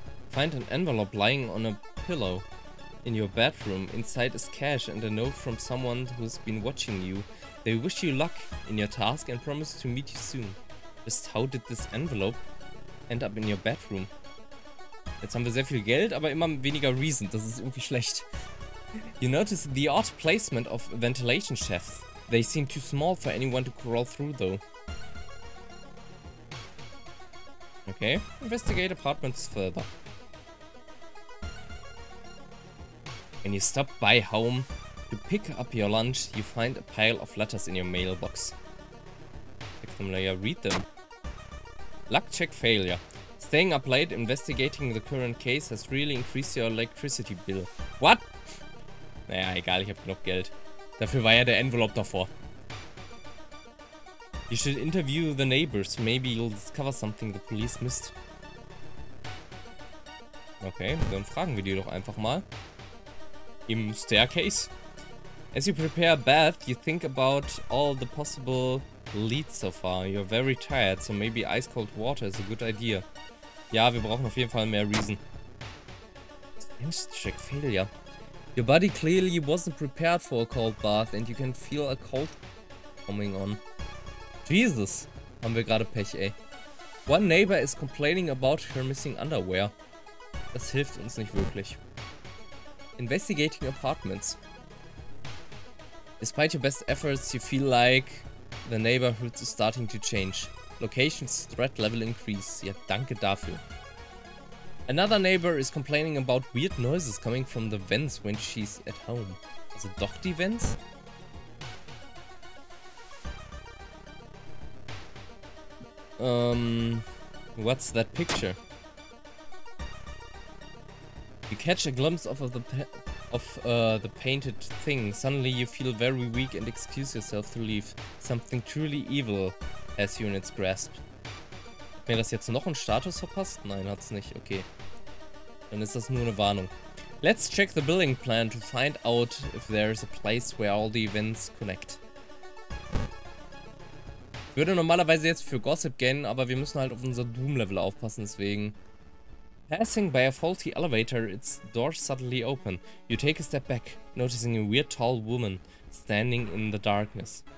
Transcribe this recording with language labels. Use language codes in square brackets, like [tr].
[en] Find an envelope lying on a pillow in your bedroom. Inside is cash and a note from someone who's been watching you. They wish you luck in your task and promise to meet you soon. Just how did this envelope end up in your bedroom? [de] Jetzt haben wir sehr viel Geld, aber immer weniger Reason. Das ist irgendwie schlecht. [en] You notice the odd placement of ventilation shafts. They seem too small for anyone to crawl through, though. Okay, investigate apartments further. When you stop by home to pick up your lunch, you find a pile of letters in your mailbox. Check them later, read them. Luck check failure. Staying up late investigating the current case has really increased your electricity bill. [de] What? Naja, egal, ich hab genug Geld. Dafür war ja der Envelope davor. [en] You should interview the neighbors. Maybe you'll discover something the police missed. [de] Okay, dann fragen wir die doch einfach mal. Im Staircase. [en] As you prepare a bath, you think about all the possible leads so far. You're very tired, so maybe ice cold water is a good idea. [de] Ja, wir brauchen auf jeden Fall mehr Reason. [en] Check failure. Your body clearly wasn't prepared for a cold bath and you can feel a cold coming on. [de] Jesus, haben wir gerade Pech, ey. [en] One neighbor is complaining about her missing underwear. [de] Das hilft uns nicht wirklich. [en] Investigating apartments. Despite your best efforts, you feel like the neighborhood is starting to change. Location's threat level increase. [de] Ja, danke dafür. [en] Another neighbor is complaining about weird noises coming from the vents when she's at home. [de] Also doch die Vents? [en] What's that picture? You catch a glimpse of the painted thing. Suddenly you feel very weak and excuse yourself to leave. Something truly evil has you in its grasp. [de] Hat mir das jetzt noch einen Status verpasst? Nein, hat's nicht. Okay. Dann ist das nur eine Warnung. [en] Let's check the building plan to find out if there is a place where all the events connect. [de] Ich würde normalerweise jetzt für Gossip gehen, aber wir müssen halt auf unser Doom-Level aufpassen, deswegen. [en] Passing by a faulty elevator, its doors suddenly open. You take a step back, noticing a weird tall woman standing in the darkness.